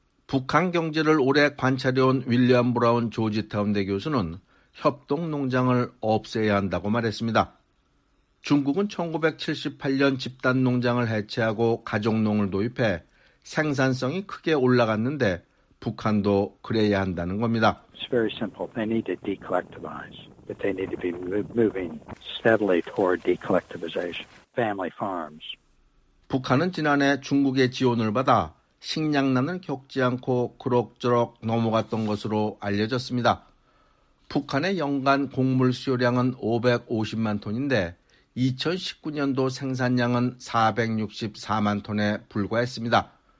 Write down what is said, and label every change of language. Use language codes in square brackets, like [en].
[ko] 북한 경제를 오래 관찰해온 윌리엄 브라운 조지타운 대 교수는 협동 농장을 없애야 한다고 말했습니다. 중국은 1978년 집단 농장을 해체하고 가족농을 도입해 생산성이 크게 올라갔는데 북한도 그래야 한다는 겁니다. [en] It's very simple. They need to decollectivize, but they need to be moving steadily toward decollectivization. Family farms. [ko] 북한은 지난해 중국의 지원을 받아 식량난을 겪지 않고 그럭저럭 넘어갔던 것으로 알려졌습니다. 북한의 연간 곡물 수요량은 550만 톤인데 2019년도 생산량은 464만 톤에 불과했습니다.